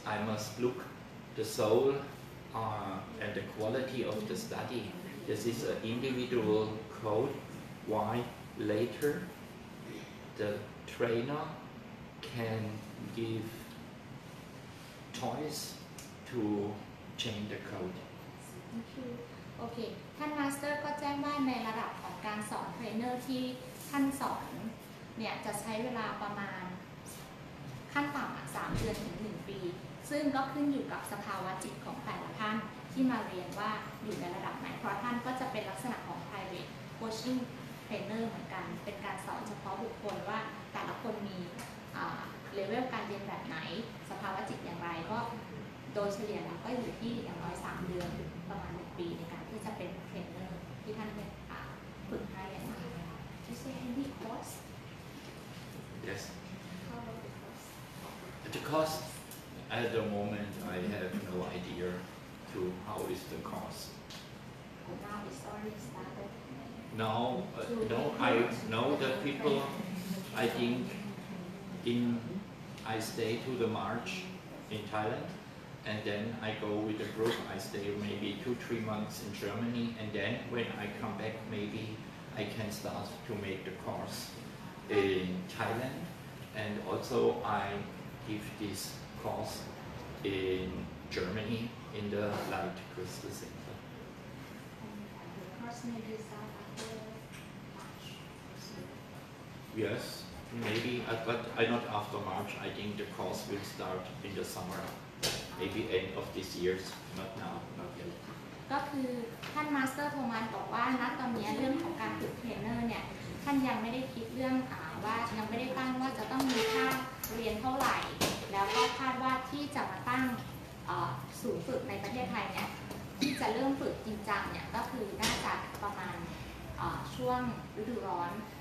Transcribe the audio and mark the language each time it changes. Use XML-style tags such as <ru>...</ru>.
<en>I must look the soul and the quality of the study. This is an individual code why later the trainer can give choice to change the code. Thank you.</en> <th>Okay, ท่านมาสเตอร์ก็แจ้งว่าในระดับของการสอนเทรนเนอร์ที่ท่านสอนเนี่ยจะใช้เวลาประมาณขั้นต่ำ3เดือนถึง1ปีซึ่งก็ขึ้นอยู่กับสภาวะจิตของแต่ละท่านที่มาเรียนว่าอยู่ในระดับไหนเพราะท่านก็จะเป็นลักษณะของ private coaching trainer เหมือนกันเป็นการสอนเฉพาะบุคคลว่าแต่ละคนมี เลเวลการเรียนแบบไหนสภาวะจิตอย่างไรก็โดยเฉลี่ยแล้วก็อยู่ที่อย่างน้อย3เดือนประมาณ1ปีในการที่จะเป็นเทรนเนอร์ที่ท่านได้ฝึกให้อย่างไรคะ</th> <en>Do you say any course? Yes. How about the course? The course, at the moment I have no idea to how is the course. But now it's already started. No, I know the people, I think in I stay to the March in Thailand, and then I go with a group. I stay maybe 2-3 months in Germany, and then when I come back, maybe I can start to make the course in Thailand. And also I give this course in Germany in the Light Crystal Center. And the course maybe start after March? Yes. Maybe, but not after March. I think the course will start in the summer, maybe end of this year, not now, not yet.</en> <th>ก็คือท่านมาสเตอร์โทมัสบอกว่าณตอนนี้เรื่องของการฝึกเทรนเนอร์เนี่ยท่านยังไม่ได้คิดเรื่องว่ายังไม่ได้ตั้งว่าจะต้องมีค่าเรียนเท่าไหร่แล้วก็คาดว่าที่จะมาตั้งศูนย์ฝึกในประเทศไทยเนี่ยที่จะเริ่มฝึกจริงจังเนี่ยก็คือน่าจะประมาณช่วงฤดูร้อน</th>